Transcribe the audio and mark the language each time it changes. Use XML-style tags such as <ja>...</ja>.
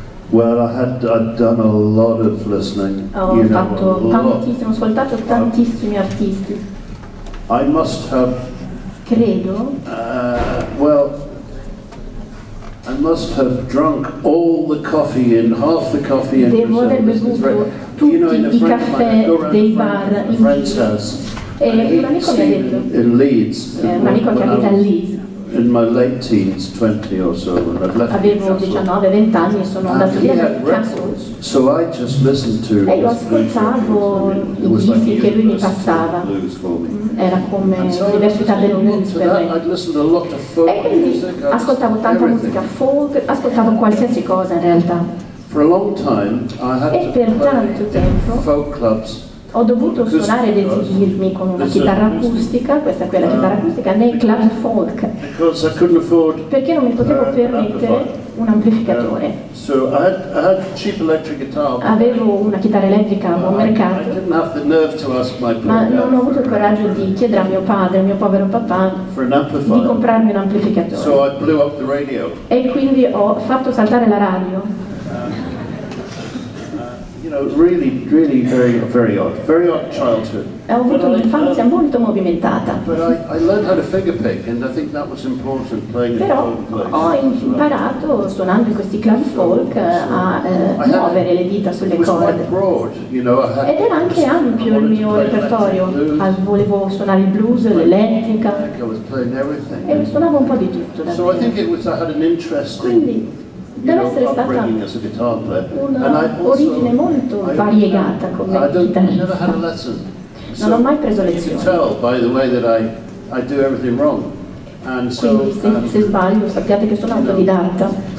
<en>Well, I'd done a lot of listening.</en> <it>Ho ascoltato tantissimi artisti.</it> <en>I must have.</en> <it>Credo.</it> <en>Well. I must have drunk all the coffee and half the coffee in Brazil.</en> <it>Devo aver bevuto tutti i caffè dei bar in</it> <en>Brazil.</en> <it>E un amico mi ha detto,</it> <en>in Leeds,</en> <it>un amico che abita a Leeds,</it> <en>in my late teens, 20 or so, when I'd left</en> <it>Avevo 19, 20 anni e sono andato via dal Newcastle.</it> <en>So I just listened to</en> <it>e lo ascoltavo i dischi like che lui mi passava. Era come l'università del blues per me. E quindi ascoltavo tanta musica folk, ascoltavo qualsiasi cosa in realtà.</it> <en>For a long time, I had</en> <it>e per tanto tempo</it> <en>folk clubs,</en> <it>ho dovuto suonare ed esibirmi con una chitarra acustica, questa qui è la chitarra acustica, nei club folk.</it> <en>Because I couldn't afford,</en> <it>perché non mi potevo permettere un amplificatore.</it> <en>So I had cheap electric guitar,</en> <it>avevo una chitarra elettrica a buon mercato, ma non ho avuto il coraggio di chiedere a mio padre, mio povero papà, di comprarmi un amplificatore.</it> <en>So I blew up the radio.</en> <it>E quindi ho fatto saltare la radio.</it> <en>You know, really, really very, very odd. Very odd childhood.</en> <it>Ho avuto un'infanzia molto movimentata.</it> <en>But I learned how to finger pick, and I think that was important playing in folk clubs.</en> <it>Però ho imparato suonando in questi club folk a muovere le dita sulle corde.</it> <en>Broad, you know,</en> <it>ed era anche ampio il mio repertorio. Volevo suonare il blues, l'elettrica. E suonavo un po' di tutto.</it> <en>So I think it was I had an interesting.</en> <it>Deve essere stata un'origine molto variegata come chitarrista. Non ho mai preso lezioni. Quindi se sbaglio sappiate che sono autodidatta.</it>